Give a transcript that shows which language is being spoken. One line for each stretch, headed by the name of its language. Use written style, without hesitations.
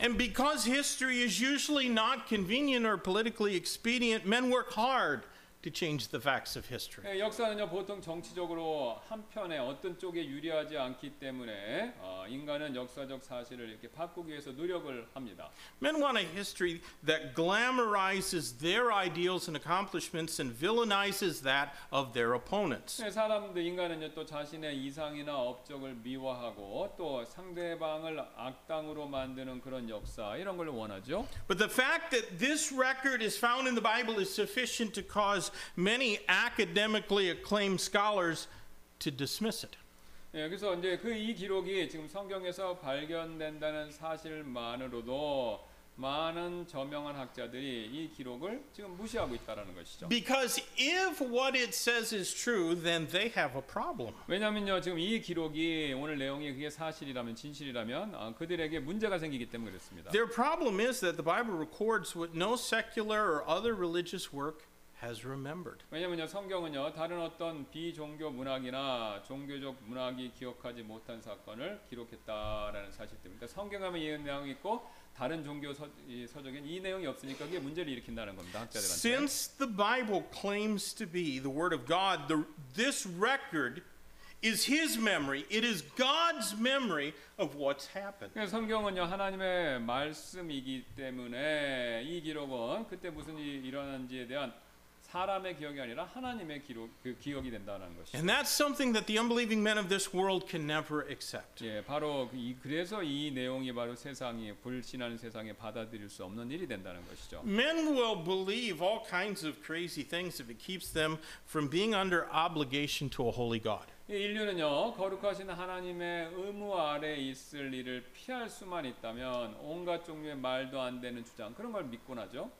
English: And because history is usually not convenient or politically expedient, men work hard to change the facts of history.
Korean: 역사는요 보통 정치적으로 한편에 어떤 쪽에 유리하지 않기 때문에 인간은 역사적 사실을 이렇게 바꾸기 위해서 노력을 합니다.
English: Men want a history that glamorizes their ideals and accomplishments and villainizes that of their opponents.
Korean: 사람들 인간은요 또 자신의 이상이나 업적을 미화하고 또 상대방을 악당으로 만드는 그런 역사 이런 걸 원하죠.
English: But the fact that this record is found in the Bible is sufficient to cause many academically acclaimed scholars to dismiss it.
Korean: 예, 그래서 이제 그 이 기록이 지금 성경에서 발견된다는 사실만으로도 많은 저명한 학자들이 이 기록을 지금 무시하고 있다라는 것이죠.
English: Because if what it says is true, then they have a problem.
Korean: 왜냐면요, 지금 이 기록이 오늘 내용이 그게 사실이라면 진실이라면 그들에게 문제가 생기기 때문에 그렇습니다.
English: Their problem is that the Bible records what no secular or other religious work has remembered.
Korean: 왜냐면요 성경은요 다른 어떤 비종교 문학이나 종교적 문학이 기억하지 못한 사건을 기록했다라는 사실 때문에 그러니까 성경에만 이 내용이 있고 다른 종교 서적엔 이 내용이 없으니까 그게 문제를 일으킨다는 겁니다. 학자들한테.
English: Since the Bible claims to be the word of God, this record is his memory. It is God's memory of what's happened.
Korean: 성경은요 하나님의 말씀이기 때문에 이 기록은 그때 무슨 일이 일어난지에 대한 사람의 기억이 아니라 하나님의 기록 그 기억이 된다는 것이.
English: And that's something that the unbelieving men of this world can never accept.
Korean: 예, 바로 그래서 이 내용이 바로 세상이 불신하는 세상에 받아들일 수 없는 일이 된다는 것이죠.
English: Men will believe all kinds of crazy things if it keeps them from being under obligation to a holy God.
Korean: 인류는요 거룩하신 하나님의 의무 아래 있을 일을 피할 수만 있다면 온갖 종류의 말도 안 되는 주장 그런 걸 믿곤 하죠.